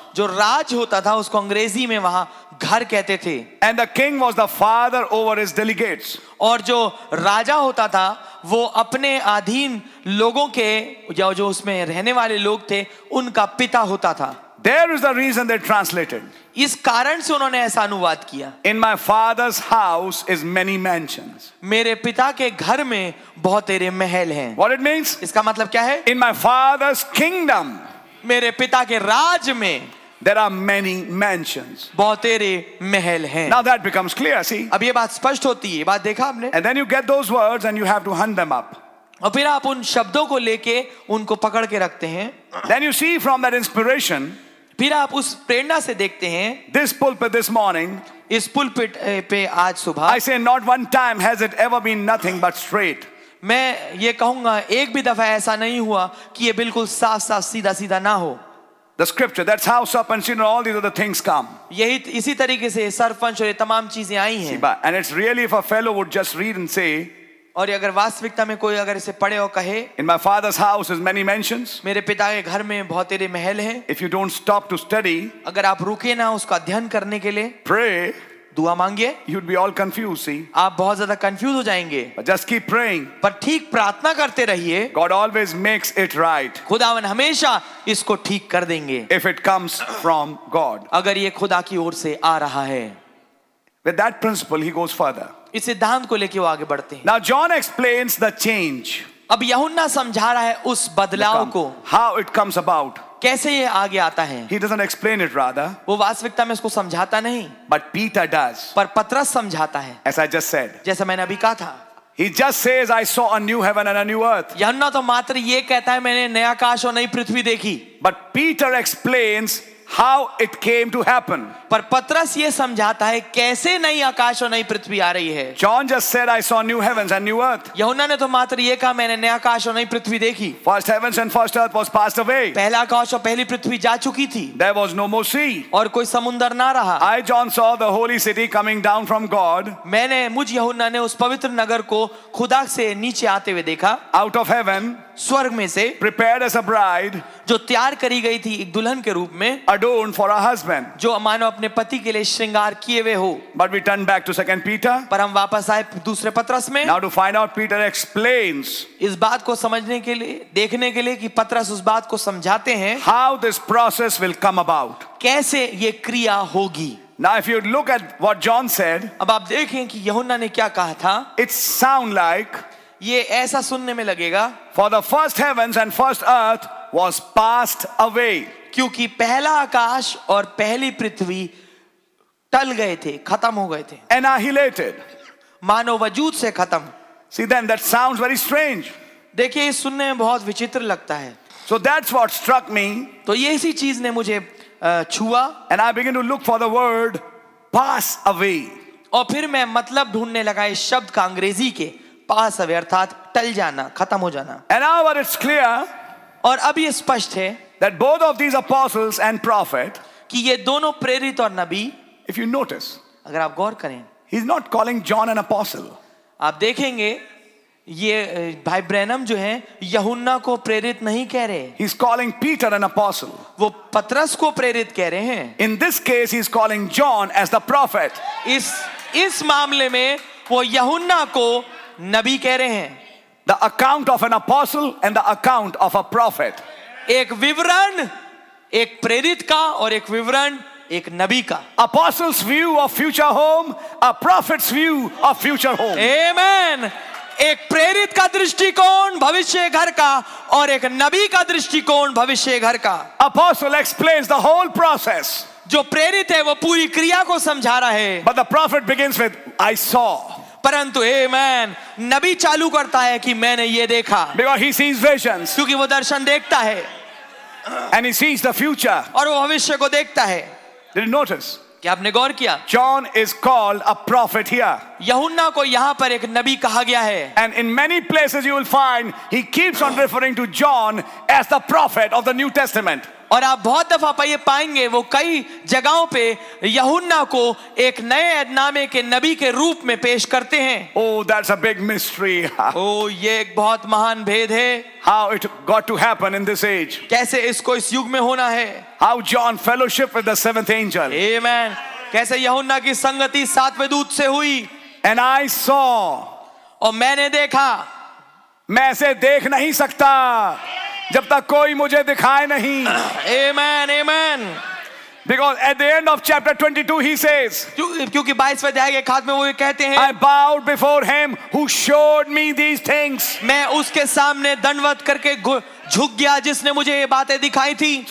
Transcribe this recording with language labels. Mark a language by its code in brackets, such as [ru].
[hi] जो राज होता था उसको अंग्रेजी में वहाँ घर कहते थे. [en] And the king was the father over his delegates. [hi] और जो राजा होता था वो अपने अधीन लोगों के या जो उसमें रहने वाले लोग थे उनका पिता होता था. [en] There is the reason they translated. [hi] इस कारण से उन्होंने ऐसा अनुवाद किया. [en] In my father's house is many mansions. [hi] मेरे पिता के घर में बहुत तेरे महल हैं. [en] What it means? [hi] इसका मतलब क्या है? [en] In my father's kingdom. [hi] मेरे पिता के राज में. [en] There are many mansions. [hi] बहुत तेरे महल हैं. [en] Now that becomes clear. See? [hi] अब ये बात स्पष्ट होती है. ये बात देखा आपने? [en] And then you get those words and you have to hunt them up. [hi] और फिर आप उन शब्दों को लेके उनको पकड़ के रखते हैं. [en] Then you see from that inspiration. [hi] फिर आप उस प्रेरणा से देखते हैं. [en] This pulpit this morning, [hi] इस पुलपिट पे आज सुबह. [en] I say not one time has it ever been nothing but straight. [hi] मैं ये कहूंगा एक भी दफा ऐसा नहीं हुआ कि ये बिल्कुल साफ साफ सीधा सीधा ना हो. [en] The scripture, that's how serpentine and all these other things come. [hi] यही इसी तरीके से सरपंच और ये तमाम चीजें आई हैं. [en] And it's really if a fellow would just read and say. [hi] और अगर वास्तविकता में कोई अगर इसे पढ़े और कहे, [en] In my father's house is many mansions. [hi] मेरे पिता के घर में बहुत तेरे महल हैं. [en] If you don't stop to study, [hi] अगर आप रुके ना उसका अध्ययन करने के लिए, [en] pray, [hi] दुआ मांगिए. [en] You'd be all confused, see? [hi] आप बहुत ज़्यादा confused हो जाएंगे. [en] But just keep praying. [hi] पर ठीक प्रार्थना करते रहिए. [en] God always makes it right. [hi] खुदावन हमेशा इसको ठीक कर देंगे. [en] If it comes from God. [hi] अगर ये खुदा की ओर से आ रहा है. [en] With that principle, he goes further. [hi] इस सिद्धांत को लेके वो आगे बढ़ते हैं. [en] Now John explains the change. [hi] अब यहुन्ना समझा रहा है उस बदलाव को. [en] How it comes about. [hi] कैसे ये आगे आता है? [en] He doesn't explain it rather. [hi] वो वास्तविकता में इसको समझाता नहीं. [en] But Peter does. [hi] पर पतरस समझाता है. [en] As I just said. [hi] जैसा मैंने अभी कहा था. [en] He just says, I saw a new heaven and a new earth. [hi] यहुन्ना तो मात्र ये कहता है मैंने नया आकाश और नई पृथ्वी देखी. [en] But Peter explains how it came to happen. [hi] पर पतरस ये समझाता है कैसे नई आकाश और नई पृथ्वी आ रही है. [en] John just said, I saw new heavens and new earth. [hi] यहुन्ना ने तो मात्र ये कहा मैंने नया आकाश और नई पृथ्वी देखी. [en] First heavens and first earth was passed away. [hi] पहला आकाश और पहली पृथ्वी जा चुकी थी. [en] There was no more sea. [hi] और कोई समुंदर ना रहा. [en] I John saw the holy city coming down from God. [hi] मैंने मुझ यहुन्ना ने उस पवित्र नगर को खुदा से नीचे आते हुए देखा. [en] Out of heaven. [hi] स्वर्ग में से. [en] Prepared as a bride. [hi] जो तैयार करी गई थी एक दुल्हन के रूप में. [en] Adorned for a husband. [hi] जो मानो अपने पति के लिए श्रृंगार किए हुए हो. [en] But we turn back to Second Peter. [hi] पर हम वापस आए दूसरे पत्रस में. [en] Now to find out Peter explains. [hi] इस बात को समझने के लिए देखने के लिए कि पत्रस उस बात को समझाते हैं. [en] How this process will come about. [hi] कैसे ये क्रिया होगी. [en] Now if you look at what John said. [hi] अब आप देखें कि यहुन्ना ने क्या कहा था. [en] It sound like. [hi] ये ऐसा सुनने में लगेगा. [en] For the first heavens and first earth was passed away. [hi] क्योंकि पहला आकाश और पहली पृथ्वी टल गए थे, खत्म हो गए थे. [en] Annihilated. [hi] मानो वजूद से खत्म. [en] See then that sounds very strange. [hi] देखिए ये सुनने में बहुत विचित्र लगता है. [en] So that's what struck me. [hi] तो ये इसी चीज ने मुझे छुआ. [en] And I began to look for the word pass away. [hi] और फिर मैं मतलब ढूंढने लगा इस शब्द का अंग्रेजी के. पास अवे अर्थात टल जाना, खत्म हो जाना. [en] And now it's clear. [hi] और अब ये स्पष्ट है. [en] That both of these apostles and prophet. [hi] कि ये दोनों प्रेरित और नबी. [en] If you notice. [hi] अगर आप गौर करें. [en] He is not calling John an apostle. [hi] आप देखेंगे ये भाई ब्रैनम जो हैं यहुन्ना को प्रेरित नहीं कह रहे. [en] He is calling Peter an apostle. [hi] वो पतरस को प्रेरित कह रहे हैं. [en] In this case he is calling John as the prophet. [hi] इस मामले में वो यहुन्ना को नबी कह रहे हैं. [en] The account of an apostle and the account of a prophet. [hi] एक विवरण एक प्रेरित का और एक विवरण एक नबी का. [en] Apostle's view of future home, a prophet's view of future home. Amen. [hi] एक प्रेरित का दृष्टिकोण भविष्य घर का और एक नबी का दृष्टिकोण भविष्य घर का. [en] Apostle explains the whole process. [hi] जो प्रेरित है वो पूरी क्रिया को समझा रहा है. [en] But the prophet begins with I saw. [hi] परंतु amen, नबी चालू करता है कि मैंने ये देखा. [en] Because he sees visions. [hi] क्योंकि वो दर्शन देखता है. [en] And he sees the future. [hi] और वो भविष्य को देखता है. [en] Did you notice? [hi] क्या आपने गौर किया? [en] John is called a prophet here. [hi] यहुन्ना को यहाँ पर एक नबी कहा गया है. [en] And in many places you will find he keeps on referring to John as the prophet of the New Testament. [hi] और आप बहुत दफा पाएंगे वो कई जगहों पे यहुन्ना को एक नए नामे के नबी के रूप में पेश करते हैं. [en] Oh, that's a big mystery. [hi] Oh, ये एक बहुत महान भेद है. [en] How it got to happen in this age. [hi] कैसे इसको इस युग में होना है. [en] How John fellowship with the seventh angel. Amen. [hi] कैसे यहुन्ना की संगति सातवें दूत से हुई. [en] And I saw. [hi] और मैंने देखा. मैं इसे देख नहीं सकता जब तक कोई मुझे दिखाए नहीं. [en] Amen, amen. Because at the end of chapter 22 he says. [hi] क्योंकि 22वें अध्याय के खात्म में वो कहते हैं. [en] I bowed before him who showed me these things. [hi] मैं उसके सामने दंडवत करके झुक गया जिसने मुझे ये बातें दिखाई थी.